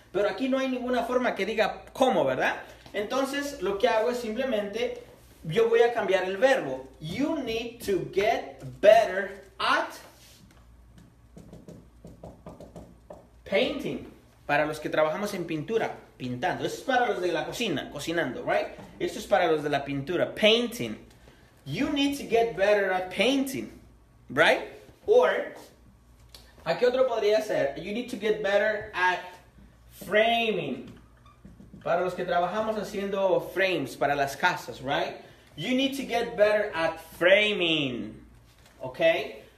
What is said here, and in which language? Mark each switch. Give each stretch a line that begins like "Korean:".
Spanish: Pero aquí no hay ninguna forma que diga cómo, ¿verdad? Entonces, lo que hago es simplemente, yo voy a cambiar el verbo.
English: You need to get better at painting.
Spanish: Para los que trabajamos en pintura, pintando. Esto es para los de la cocina, cocinando, right? Esto es para los de la pintura, painting.
English: You need to get better at painting, right? Or,
Spanish: ¿a qué otro podría ser?
English: You need to get better at framing.
Spanish: Para los que trabajamos haciendo frames para las casas, right?
English: You need to get better at framing, okay?